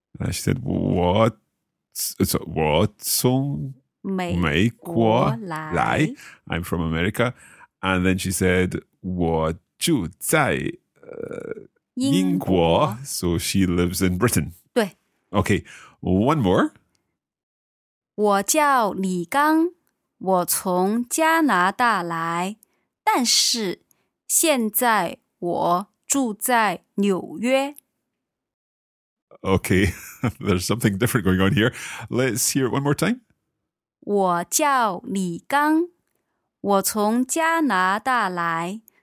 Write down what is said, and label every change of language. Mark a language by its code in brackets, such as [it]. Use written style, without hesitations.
[en] She said, 我从 [zh] 美国来, [en] I'm from America. And then she said, 我住在英国. So she lives in Britain. [zh] 对. [en] Okay, one more. [zh] 我叫李刚。我从加拿大来。但是现在我住在纽约。 [en] Okay, there's something different going on here. Let's hear it one more time. [zh] 我叫李刚, 我从加拿大来,